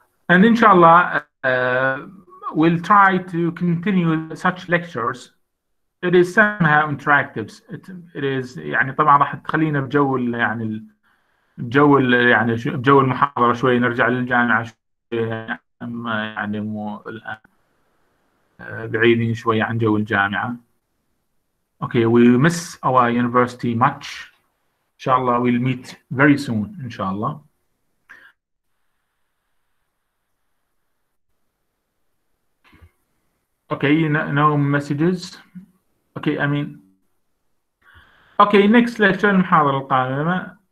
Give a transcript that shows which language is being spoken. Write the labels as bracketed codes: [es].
[en] And inshallah, we'll try to continue such lectures. It is somehow interactive. It is [ar] يعني طبعا راح تخلينا بجو يعني الجو يعني بجو المحاضرة شوي، نرجع للجامعة شوي، يعني مو الآن بعيدين شوي عن جو الجامعة. [en] Okay, we miss our university much. Inshallah, we'll meet very soon. Inshallah. Okay, no messages. Okay, next lecture, [ar] المحاضرة القادمة.